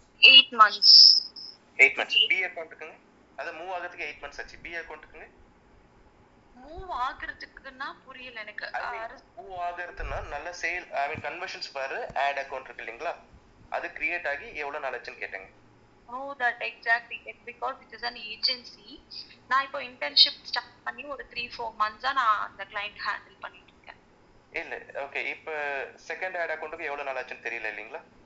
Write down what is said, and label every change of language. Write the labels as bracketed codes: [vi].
[ta] 8 months. 8 months B அக்கவுண்ட்க்குங்க, அது move ஆகிறதுக்கு 8 months ஆச்சு. பி அக்கவுண்ட்க்குங்க மூவ் ஆகிறதுக்குன்னா புரியல எனக்கு. மூவ் ஆகிறதுன்னா நல்ல சேல் ஐ மீன் கன்வர்ஷன்ஸ் பாரு ஆட் அக்கவுண்ட் இருக்கு இல்லீங்களா, அது கிரியேட் ஆகி எவ்வளவு நாள் ஆச்சுன்னு கேட்டேங்க. [en] No, that exactly it because it is an agency. [ta] நான் இப்போ internship start பண்ணி ஒரு 3-4 months ஆ நான் அந்த client handle பண்ணிட்டு இருக்கேன். இல்ல ஓகே இப்போ செகண்ட் ஆட் அக்கவுண்ட் க்கு எவ்வளவு நாள் ஆச்சுன்னு தெரியல இல்லீங்களா?